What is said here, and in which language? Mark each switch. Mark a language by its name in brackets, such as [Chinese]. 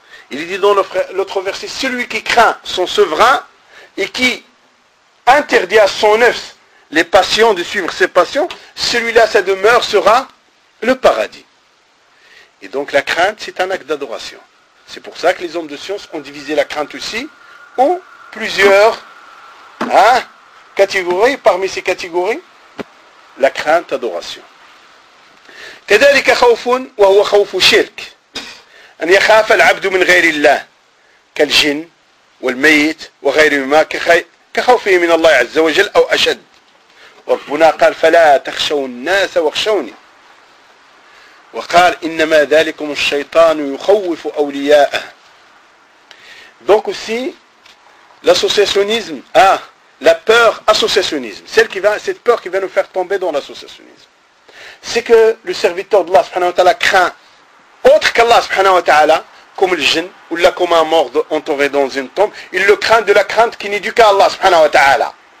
[French] Il est dit dans l'autre verset, celui qui craint son souverain, et qui interdit à son nefs les passions de suivre ses passions, celui-là, sa demeure sera le paradis. Et donc la crainte, c'est un acte d'adoration. C'est pour ça que les hommes de science ont divisé la crainte aussi en plusieurs catégories. Parmi ces catégories, la crainte, adoration. [Arabic] كذلك خوف وهو خوف شرك أن يخاف العبد من غير الله كالجن والميت وغيرهما كخوفه من الله عز وجل أو أشد. ربنا قال فلا تخشوا الناس واخشوني. وقال إنما ذلكم الشيطان يخوف أولياءه. [French] Donc aussi l'associationnisme, la peur associationnisme, cette peur qui va nous faire tomber dans l'associationnisme. C'est que le serviteur d'Allah subhanahu wa ta'ala craint autre qu'Allah subhanahu wa ta'ala, comme le djinn ou la comme un mort entouré dans une tombe, il le craint de la crainte qui n'est due qu'à Allah subhanahu wa ta'ala.